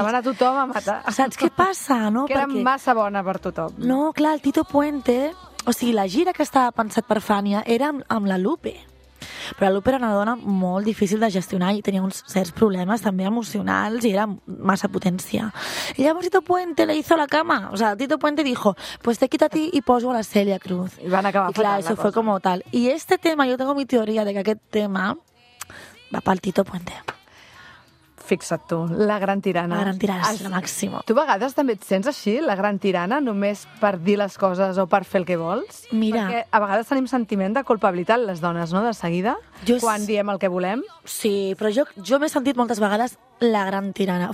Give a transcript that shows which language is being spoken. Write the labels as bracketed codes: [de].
[ca] estaven a tothom a matar. Saps què passa, no? Que eren massa bona per tothom. No, clar, el Tito Puente... O sigui, la gira que estava pensat per Fania era amb la Lupe. Però la Lupe era una dona molt difícil de gestionar i tenia uns certs problemes també emocionals i era massa potència. I llavors [es] Tito Puente le hizo la cama. O sea, Tito Puente dijo, pues te quito a ti y poso a la Cèlia Cruz. [ca] I van acabar fatal la [es] cosa. [ca] I clar, això [es] fue como tal. I este tema, yo tengo mi teoría de que [ca] aquest tema va pel [es] Tito Puente. [ca] Fixa't tu, la gran tirana. La gran tirana és la màxima. Tu a vegades també et sents així, la gran tirana, només per dir les coses o per fer el que vols? Mira... Perquè a vegades tenim sentiment de culpabilitat les dones, no?, de seguida, quan diem el que volem. Sí, però jo m'he sentit moltes vegades la gran tirana.